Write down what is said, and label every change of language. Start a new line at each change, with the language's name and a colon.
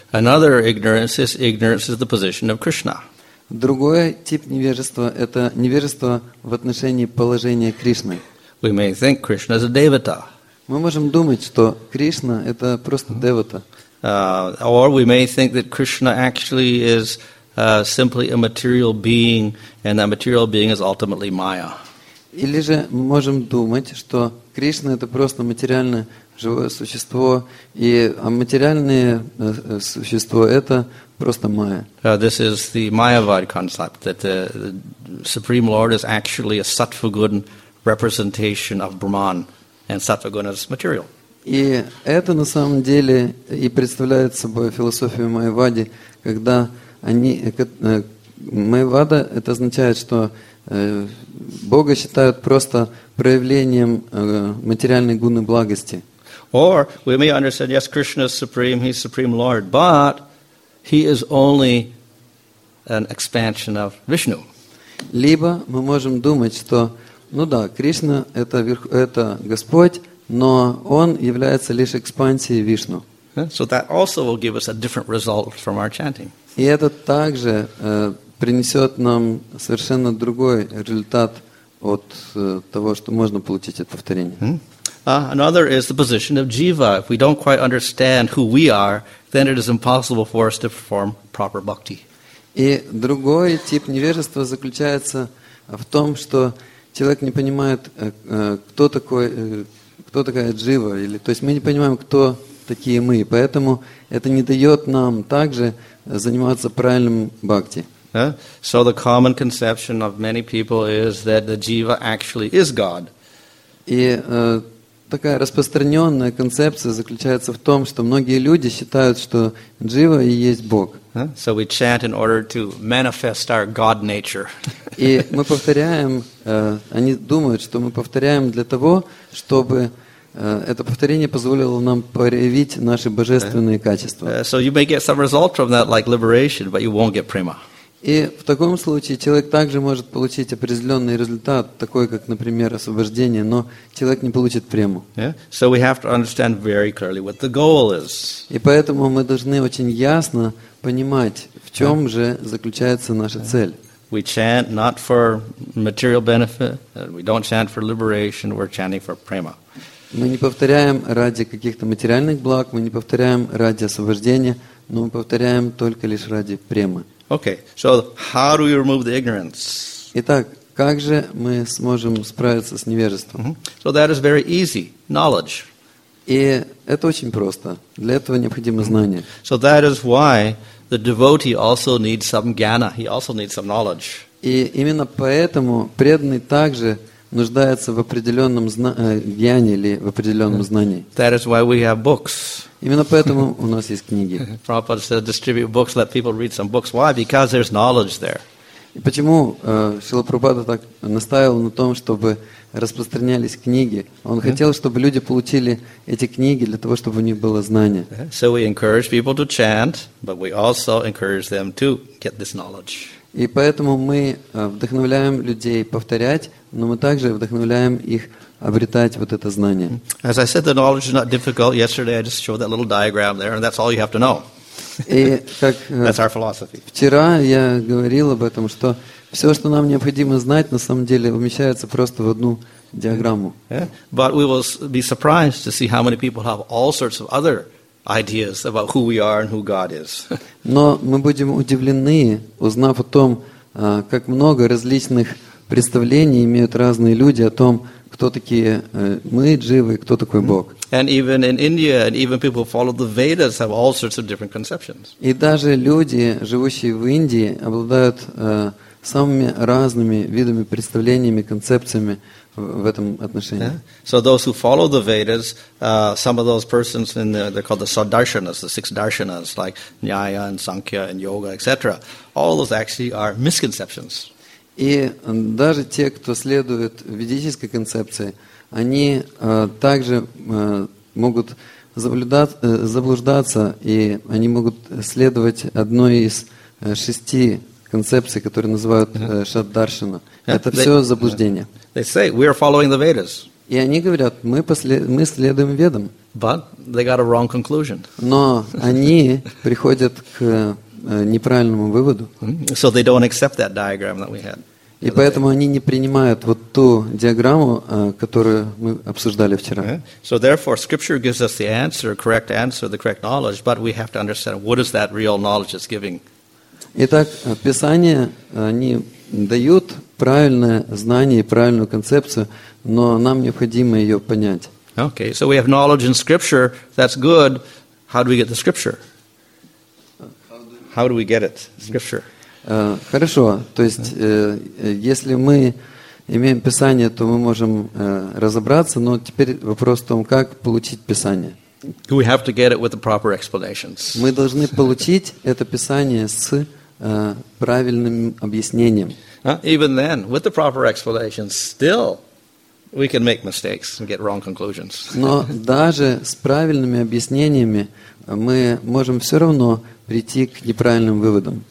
English: Another ignorance is the position of Krishna.
Russian: Другой тип невежества – это невежество в отношении положения Кришны.
English: We may think Krishna is a devata.
Russian: Мы можем думать, что Кришна – это просто девата.
English: Or we may think that Krishna actually is simply a material being, and that material being is ultimately Maya.
Russian: Или же мы можем думать, что Кришна – это просто материальное живое существо, и материальное существо – это просто Майя.
English: This is the Mayavad concept, that the Supreme Lord is actually a sattva-gun representation of Brahman, and sattva-gun is material.
Russian: И это на самом деле и представляет собой философию Майявады, когда они… Майявада – это означает, что Бога считают просто проявлением материальной гуны благости.
English: Or we may understand, yes, Krishna is supreme, he's supreme Lord, but he is only an expansion of Vishnu.
Russian: Либо мы можем думать, что, ну да, Кришна это Господь, но он является лишь экспансией Вишну.
English: So that also will give us a different result from our chanting.
Russian: И это также принесет нам совершенно другой результат от того, что можно получить от повторения.
English: Another is the position of jiva. If we don't quite understand who we are, then it is impossible for us to perform proper bhakti.
Russian: И другой тип невежества заключается в том, что человек не понимает, кто такая джива, или то есть мы не понимаем, кто такие мы, поэтому это не дает нам также заниматься правильным бхакти.
English: So the common conception of many people is that the jiva actually is God.
Russian: И такая распространенная концепция заключается в том, что многие люди считают, что джива и есть Бог.
English: So we chant in order to manifest our God nature.
Russian: И мы повторяем, они думают, что мы повторяем для того, чтобы это повторение позволило нам проявить наши божественные качества.
English: So you may get some result from that, like liberation, but you won't get prema.
Russian: И в таком случае человек также может получить определенный результат, такой как, например, освобождение, но человек не получит прему. Yeah?
English: So we have to understand very clearly what the goal is.
Russian: И поэтому мы должны очень ясно понимать, в чем же заключается наша цель.
English: We chant not for material benefit, we don't chant for liberation, we're chanting for prema.
Russian: Мы не повторяем ради каких-то материальных благ, мы не повторяем ради освобождения, но мы повторяем только лишь ради премы.
English: Okay, so how do we remove the ignorance?
Russian: Итак, как же мы сможем справиться с невежеством? Mm-hmm.
English: So that is very easy. Knowledge.
Russian: И это очень просто. Для этого необходимо знание. Mm-hmm.
English: So that is why the devotee also needs some jnana. He also needs some knowledge.
Russian: И именно поэтому преданный также нуждается в определенном знании или в определенном знании.
English: That is why we have books.
Russian: Именно поэтому у нас есть книги.
English: Prabhupada said, distribute books, let people read some books. Why? Because there's knowledge there.
Russian: И почему Шрила Прабхупада так настаивал на том, чтобы распространялись книги? Он хотел, чтобы люди получили эти книги для того, чтобы у них было знание.
English: So we encourage people to chant, but we also encourage them to get this knowledge.
Russian: И поэтому мы вдохновляем людей повторять, но мы также вдохновляем их обретать вот это знание.
English: As I said, the knowledge is not difficult. Yesterday I just showed that little diagram there, and that's all you have to know. That's our philosophy.
Russian: Вчера я говорил об этом, что все, что нам необходимо знать, на самом деле умещается просто в одну диаграмму.
English: But we will be surprised to see how many people have all sorts of other ideas about who we are and who God is.
Russian: Но мы будем удивлены, узнав о том, как много различных представления имеют разные люди о том, кто такие мы, дживы, кто такой Бог.
English: And even in India, and even people who follow the Vedas have all sorts of different conceptions.
Russian: И даже люди, живущие в Индии, обладают самыми разными видами представлениями, концепциями в этом отношении. Yeah.
English: So those who follow the Vedas, some of those persons in the, they're called the Sadarshanas, the six darshanas, like Nyaya and Sankhya and Yoga, etc. All those actually are misconceptions.
Russian: И даже те, кто следует ведической концепции, они также могут заблуждаться, и они могут следовать одной из шести концепций, которые называют Шаддаршана. Это все заблуждение.
English: They say, we are following the Vedas.
Russian: И они говорят, мы следуем Ведам.
English: But they got a wrong conclusion.
Russian: Но они приходят к неправильному выводу.
English: So they don't accept that diagram that we had.
Russian: И поэтому они не принимают вот ту диаграмму, которую мы обсуждали вчера.
English: So therefore, Scripture gives us the answer, correct answer, the correct knowledge, but we have to understand what is that real knowledge it's giving.
Russian: Итак, Писание, они дают правильное знание и правильную концепцию, но нам необходимо ее понять.
English: Okay, so we have knowledge in Scripture, that's good. How do we get the Scripture? How do we get it, Scripture?
Russian: Хорошо, то есть если мы имеем Писание, то мы можем разобраться, но теперь вопрос в том, как получить Писание.
English: We have to get it with the proper explanations.
Russian: Мы должны получить это Писание с правильным объяснением.
English: Even then, with the proper explanations, still we can make mistakes and get wrong conclusions.
Russian: Но даже с правильными объяснениями мы можем все равно прийти к неправильным выводам.